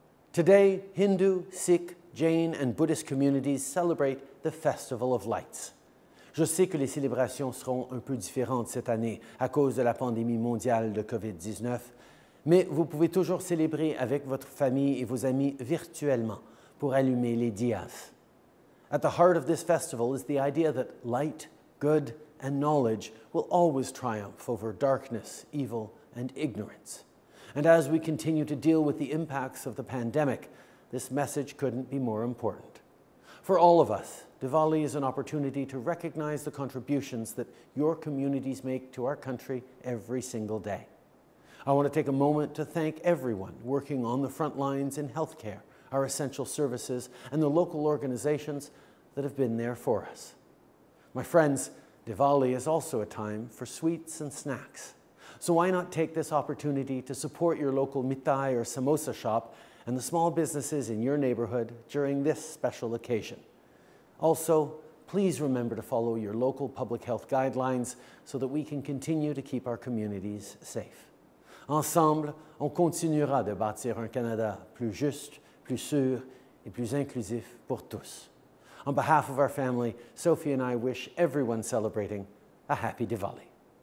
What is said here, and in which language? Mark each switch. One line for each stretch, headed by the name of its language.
English: Today, Hindu, Sikh, Jain, and Buddhist communities celebrate the Festival of Lights.
French: Je sais que les célébrations seront un peu différentes cette année à cause de la pandémie mondiale de COVID-19, mais vous pouvez toujours célébrer avec votre famille et vos amis virtuellement pour allumer les diyas.
English: At the heart of this festival is the idea that light, good, and knowledge will always triumph over darkness, evil, and ignorance. And as we continue to deal with the impacts of the pandemic, this message couldn't be more important. For all of us, Diwali is an opportunity to recognize the contributions that your communities make to our country every single day. I want to take a moment to thank everyone working on the front lines in healthcare, our essential services, and the local organizations that have been there for us. My friends, Diwali is also a time for sweets and snacks. So why not take this opportunity to support your local mitai or samosa shop and the small businesses in your neighborhood during this special occasion? Also, please remember to follow your local public health guidelines so that we can continue to keep our communities safe.
French: Ensemble, on continuera de bâtir un Canada plus juste, plus sûr et plus inclusif pour tous.
English: On behalf of our family, Sophie and I wish everyone celebrating a happy Diwali.